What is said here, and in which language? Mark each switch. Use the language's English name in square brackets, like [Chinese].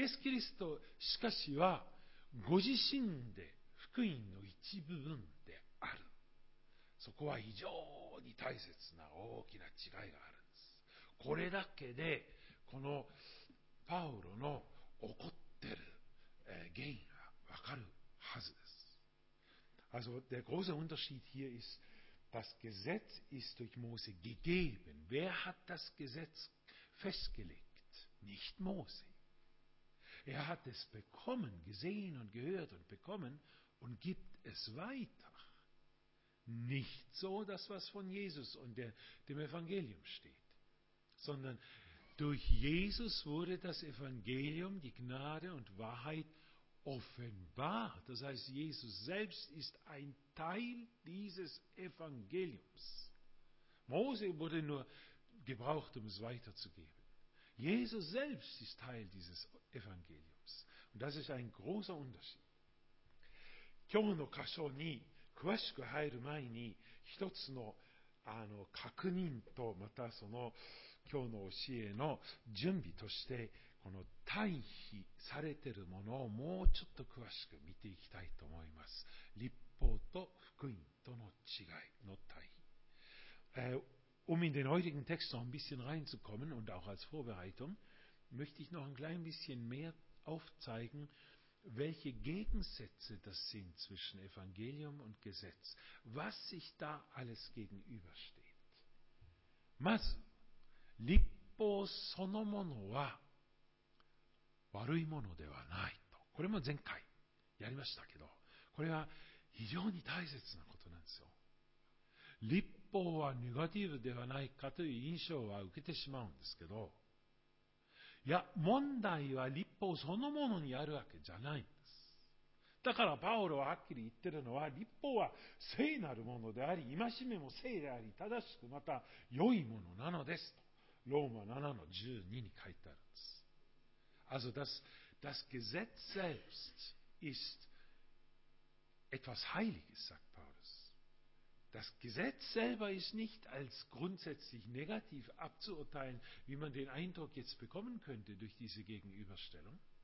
[Japanese] イエス・キリストしかしはご自身で福音の一部分である。そこは非常に大切な大きな違いがあるんです。これだけでこのパウロの怒ってる原因がわかるはずです。 [German] Also der große Unterschied hier ist,Das Gesetz ist durch Mose gegeben. Wer hat das Gesetz festgelegt? Nicht Mose. Er hat es bekommen, gesehen und gehört und bekommen und gibt es weiter. Nicht so das, was von Jesus und dem Evangelium steht. Sondern durch Jesus wurde das Evangelium, die Gnade und Wahrheit offenbar. Das heißt, Jesus selbst ist ein Teil dieses Evangeliums. Mose wurde nur gebraucht, um es weiterzugeben. Jesus selbst ist Teil dieses Evangeliums. Und das ist ein großer Unterschied. [Japanese] 今日の箇所に詳しく入る前に、一つの、確認と、またその今日の教えの準備として、この対比されているものをもうちょっと詳しく見ていきたいと思います。律法と福音との違いの対比。 [German] Um in den heutigen Text noch ein bisschen reinzukommen und auch als Vorbereitung, möchte ich noch ein klein bisschen mehr aufzeigen, welche Gegensätze das sind zwischen Evangelium und Gesetz, was sich da alles gegenübersteht. [Japanese] まず、律法そのものは悪いものではないと。これも前回やりましたけど、これは非常に大切なことなんですよ。律法はネガティブではないかという印象は受けてしまうんですけど、いや、問題は律法そのものにあるわけじゃないんです。だからパウロははっきり言ってるのは、律法は聖なるものであり、戒めも聖であり、正しくまた良いものなのですと。ローマ 7:12 に書いてあるんです。 [German] Also das Gesetz selbst ist etwas Heiliges, sagt Paulus. Das Gesetz selber ist nicht als grundsätzlich negativ abzuurteilen, wie man den Eindruck jetzt bekommen könnte durch diese Gegenüberstellung.